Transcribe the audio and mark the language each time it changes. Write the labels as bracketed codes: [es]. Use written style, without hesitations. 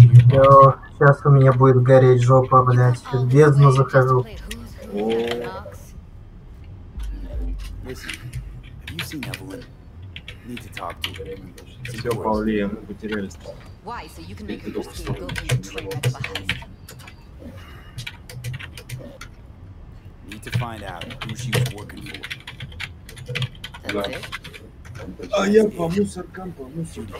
[ru] Йо, сейчас у меня будет гореть жопа, блять. В бездну захожу. [en] Listen, have you seen Evelyn? Need to talk to her. [ru] Все, Павли, мы потерялись. [en] Why? So you can make your escape and go to your train at the heist. Need to find out who she was working for. That's it? [ru] Я по мусоркам, по мусоркам.